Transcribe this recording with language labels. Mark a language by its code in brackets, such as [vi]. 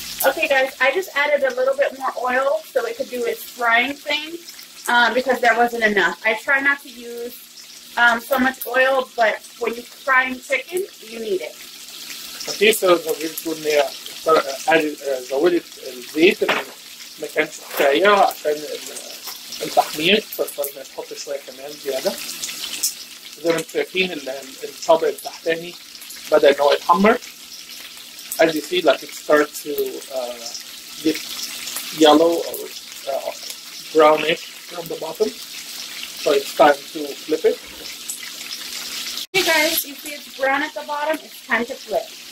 [en] Okay guys, I just added a little bit more oil so it could do its frying thing because there wasn't enough. I try not to use so much oil, but when you're frying chicken, you need it. Okay, so we're going to add the [ar] زيت من مكان شوية عشان التحمير, فصرنا نحط شوية كمان زيادة. زي ما انتم شايفين الطبق التحتاني بدا ان هو يتحمر. [en] As you see, like it starts to get yellow or brownish from the bottom. So it's time to flip it. Hey guys, you see it's brown at the bottom, it's time to flip.